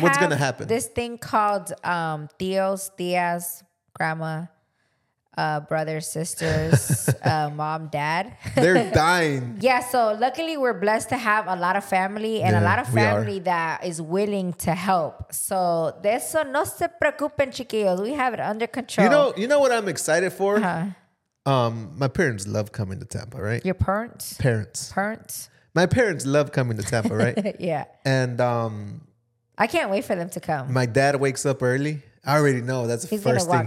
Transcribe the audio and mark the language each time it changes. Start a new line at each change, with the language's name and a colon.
English: What's going to happen? This thing called tios, tias, grandma, brothers, sisters, mom, dad. They're dying. Yeah, so luckily we're blessed to have a lot of family and a lot of family that is willing to help.
Spanish: So de eso no se preocupen, chiquillos.
English: We have it under control. You know what I'm excited for? Uh-huh. My parents love coming to Tampa, right? Your parents? Parents. My parents love coming to Tampa, right? Yeah. And I can't wait for them to come. My dad wakes up early. I already know that's the first thing.